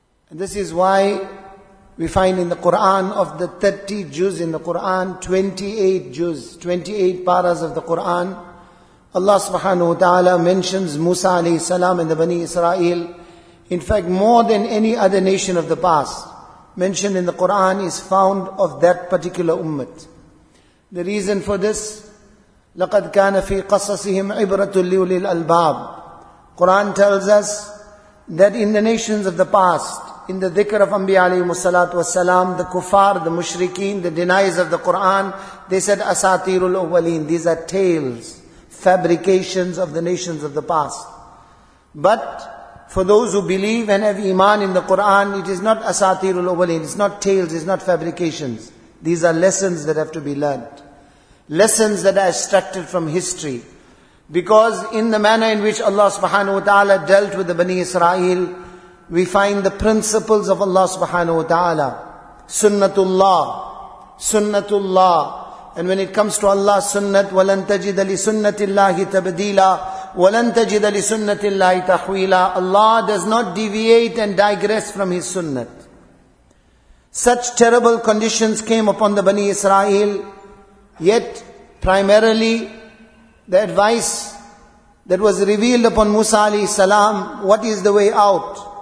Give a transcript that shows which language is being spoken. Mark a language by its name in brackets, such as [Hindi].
[English] And this is why we find in the Quran, of the 30 juz in the Quran, 28 juz, 28 paras of the Quran, Allah subhanahu wa ta'ala mentions Musa alayhi salam and the Bani Israel. In fact, more than any other nation of the past mentioned in the Quran is found of that particular ummah. The reason for this: [Arabic] لَقَدْ كَانَ فِي قَصَصِهِمْ عِبْرَةٌ لِّأُولِي الْأَلْبَابِ. [English] Quran tells us that in the nations of the past, in the dhikr of Anbiya alayhimu salatu wasalam, the kuffar, the mushrikeen, the deniers of the Quran, they said asatirul awwaleen. These are tales, fabrications of the nations of the past. But for those who believe and have iman in the Quran, it is not asatirul awwaleen, it's not tales, it's not fabrications. These are lessons that have to be learned. Lessons that are extracted from history. Because in the manner in which Allah subhanahu wa ta'ala dealt with the Bani Israel, we find the principles of Allah subhanahu wa ta'ala. Sunnatullah. Sunnatullah. And when it comes to Allah's sunnat, [Arabic] وَلَن تَجِدَ لِسُنَّةِ اللَّهِ تَبْدِيلًا وَلَن تَجِدَ لِسُنَّةِ اللَّهِ تَحْوِيلًا. [English] Allah does not deviate and digress from His sunnat. Such terrible conditions came upon the Bani Israel, yet primarily the advice that was revealed upon Musa alayhi salam, what is the way out?